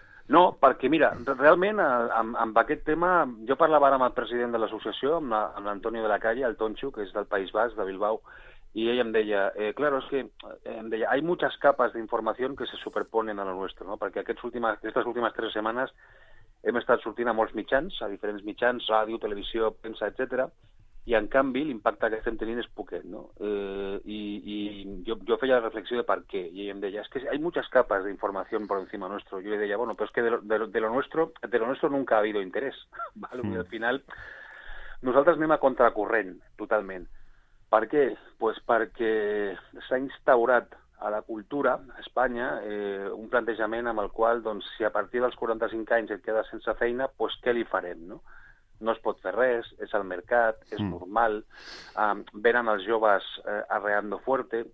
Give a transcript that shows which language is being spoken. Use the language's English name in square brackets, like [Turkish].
[Catalan] No, perquè mira, realment amb aquest tema, jo parlava ara amb el president de l'associació, amb l'Antonio de la Calle, el Tonxo, que és del País Basc, de Bilbao, i ell em deia, [Spanish] claro, es que, [Catalan] em deia, [Spanish] hay muchas capas de información que se superponen a lo nuestro, [Catalan] ¿no? Perquè aquestes últimes tres setmanes hem estat sortint a molts mitjans, a diferents mitjans, ràdio, televisió, premsa, etcètera, i en canvi l'impacte que estem tenint és poquet, no? I jo feia la reflexió de per què, i ell em deia, [Spanish] es que hay muchas capas de información por encima nuestro. Yo le deia, bueno, pero es que de lo nuestro nunca ha habido interés, ¿vale? [Catalan] Y al final nosaltres anem a contracorrent totalment. Per què? Pues perquè s'ha instaurat a la cultura a Espanya un plantejament amb el qual, doncs, si a partir dels 45 anys et quedes sense feina, pues què li farem, no? No es pot fer res, és el mercat, és normal, venen els joves [Spanish] arreando fuerte.